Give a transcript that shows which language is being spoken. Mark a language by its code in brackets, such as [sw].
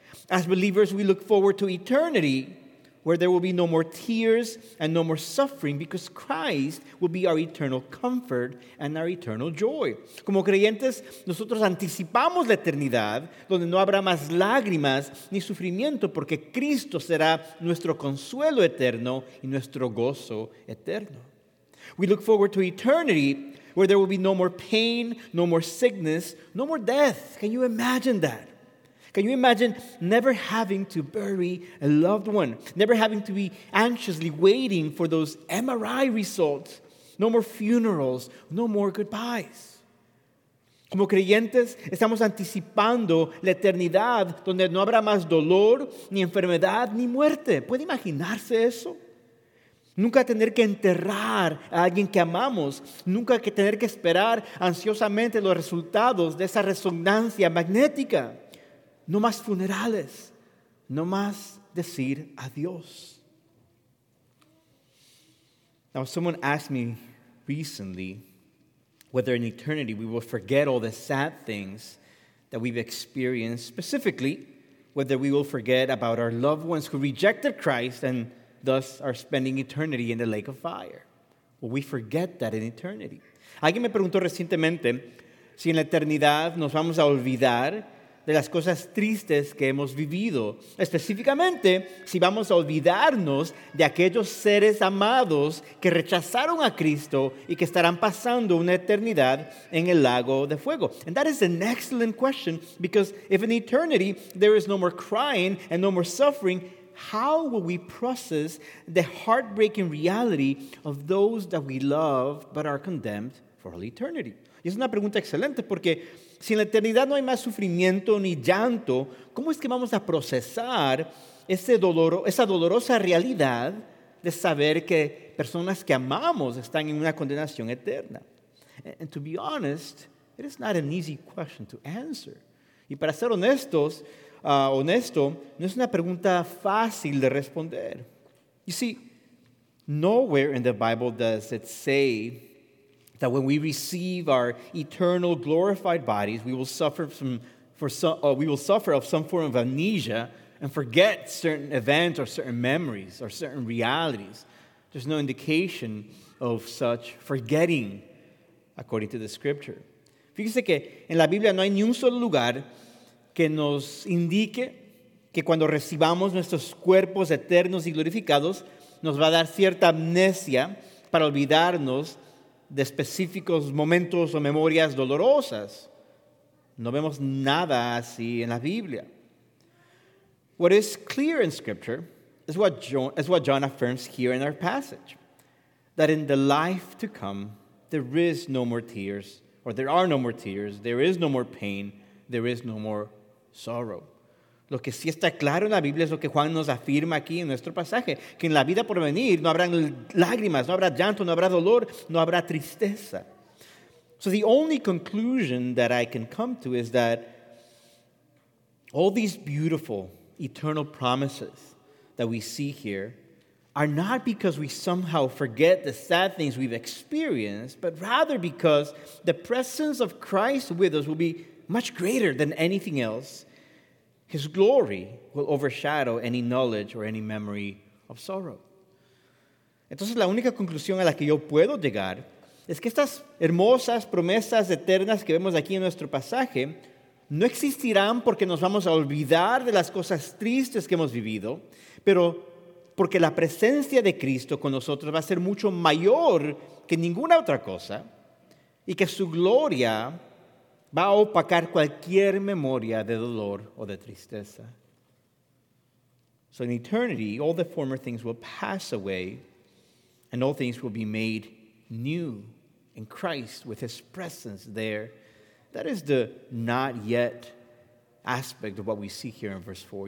[en] As believers, we look forward to eternity where there will be no more tears and no more suffering because Christ will be our eternal comfort and our eternal joy. [es] Como creyentes, nosotros anticipamos la eternidad donde no habrá más lágrimas ni sufrimiento porque Cristo será nuestro consuelo eterno y nuestro gozo eterno. [en] We look forward to eternity where there will be no more pain, no more sickness, no more death. Can you imagine that? Can you imagine never having to bury a loved one? Never having to be anxiously waiting for those MRI results? No more funerals, no more goodbyes. [es] Como creyentes, estamos anticipando la eternidad donde no habrá más dolor, ni enfermedad, ni muerte. ¿Puede imaginarse eso? Nunca tener que enterrar a alguien que amamos. Nunca que tener que esperar ansiosamente los resultados de esa resonancia magnética. No más funerales, no más decir adiós. [en] Now, someone asked me recently whether in eternity we will forget all the sad things that we've experienced, specifically whether we will forget about our loved ones who rejected Christ and thus are spending eternity in the lake of fire. Will we forget that in eternity? [es] Alguien me preguntó recientemente si en la eternidad nos vamos a olvidar de las cosas tristes que hemos vivido, específicamente si vamos a olvidarnos de aquellos seres amados que rechazaron a Cristo y que estarán pasando una eternidad en el lago de fuego. [en] And that is an excellent question, because if in eternity there is no more crying and no more suffering, how will we process the heartbreaking reality of those that we love but are condemned for all eternity? [es] Y es una pregunta excelente porque si en la eternidad no hay más sufrimiento ni llanto, ¿cómo es que vamos a procesar ese dolor, esa dolorosa realidad de saber que personas que amamos están en una condenación eterna? [en] And to be honest, it is not an easy question to answer. [es] Y para ser honestos, honesto, no es una pregunta fácil de responder. [en] You see, nowhere in the Bible does it say that when we receive our eternal glorified bodies, we will suffer of some form of amnesia and forget certain events or certain memories or certain realities. There's no indication of such forgetting, according to the scripture. [es] Fíjese que en la Biblia no hay ni un solo lugar que nos indique que cuando recibamos nuestros cuerpos eternos y glorificados, nos va a dar cierta amnesia para olvidarnos de específicos momentos o memorias dolorosas. No vemos nada así en la Biblia. [en] What is clear in Scripture is what John affirms here in our passage, that in the life to come, there is no more tears, or there are no more tears, there is no more pain, there is no more sorrow. [es] Lo que sí está claro en la Biblia es lo que Juan nos afirma aquí en nuestro pasaje, que en la vida por venir no habrán lágrimas, no habrá llanto, no habrá dolor, no habrá tristeza. [en] So the only conclusion that I can come to is that all these beautiful eternal promises that we see here are not because we somehow forget the sad things we've experienced, but rather because the presence of Christ with us will be much greater than anything else. His glory will overshadow any knowledge or any memory of sorrow. [es] Entonces, la única conclusión a la que yo puedo llegar es que estas hermosas promesas eternas que vemos aquí en nuestro pasaje no existirán porque nos vamos a olvidar de las cosas tristes que hemos vivido, pero porque la presencia de Cristo con nosotros va a ser mucho mayor que ninguna otra cosa y que su gloria va a opacar cualquier memoria de dolor o de tristeza. [en] So in eternity, all the former things will pass away and all things will be made new in Christ with his presence there. That is the not yet aspect of what we see here in verse 4.